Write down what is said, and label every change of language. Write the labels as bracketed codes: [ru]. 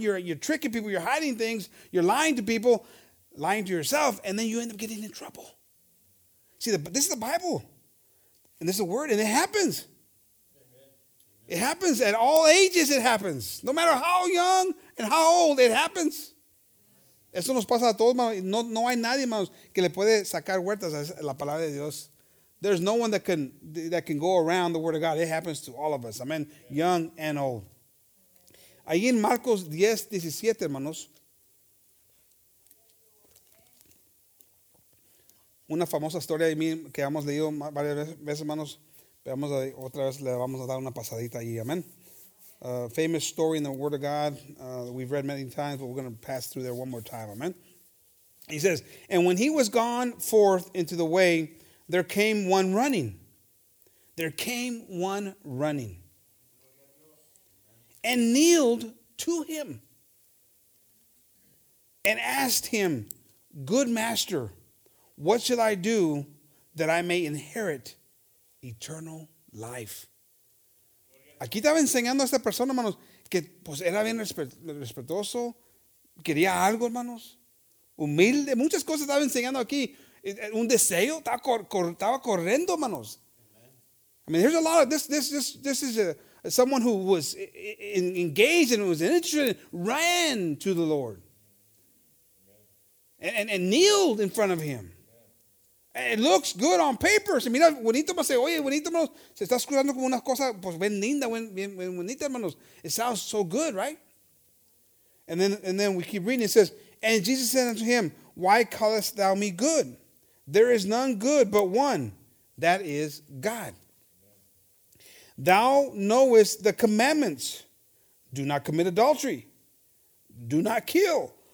[en] You're tricking people, you're hiding things, you're lying to people, lying to yourself, and then you end up getting in trouble. See, this is the Bible, and this is the Word, and it happens. It happens at all ages. It happens, no matter how young and how old. It happens. [es] Eso nos pasa a todos, hermanos. No hay nadie, hermanos, que le puede sacar huertas a la palabra de Dios. [en] There's no one that can go around the word of God. It happens to all of us. Amen. Yeah. Young and old. [es] Ahí en Marcos 10:17, hermanos. Una famosa historia de mí que hemos leído varias veces, hermanos. Veamos otra vez, le vamos a dar una pasadita ahí. Amen. [en] Famous story in the Word of God that we've read many times, but we're going to pass through there one more time. Amen. He says, and when he was gone forth into the way, there came one running. There came one running and kneeled to him and asked him, good master, what shall I do that I may inherit eternal life? [es] Aquí estaba enseñando a esta persona, hermanos, que pues era bien respetuoso, quería algo, hermanos, humilde. Muchas cosas estaba enseñando aquí. Un deseo, estaba corriendo, hermanos. [en] I mean, here's a lot of this is someone who was engaged and was interested, ran to the Lord. And kneeled in front of him. It looks good on paper. [es] Se mira bonito, me dice, oye, bonito, hermanos. Se está escuchando como una cosa, pues, bien linda, bien bonita, hermanos. [en] It sounds so good, right? And then we keep reading. It says, and Jesus said unto him, why callest thou me good? There is none good but one, that is God. Thou knowest the commandments. Do not commit adultery. Do not kill.